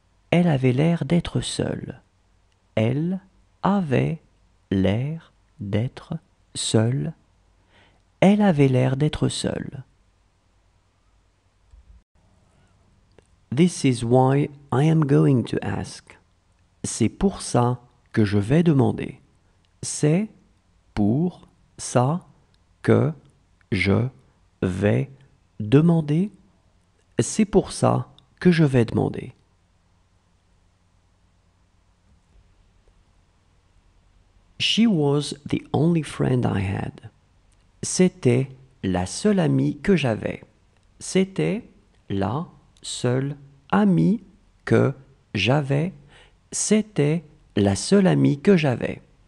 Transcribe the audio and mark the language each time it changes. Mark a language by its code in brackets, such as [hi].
[fr] Elle avait l'air d'être seule. Elle avait l'air d'être seule. Elle avait l'air d'être seule. [en] This is why I am going to ask. [fr] C'est pour ça que je vais demander. C'est pour ça que je vais demander. C'est pour ça que je vais demander. [en] She was the only friend I had. [fr] C'était la seule amie que j'avais. C'était la seule amie que j'avais, c'était la seule amie que j'avais.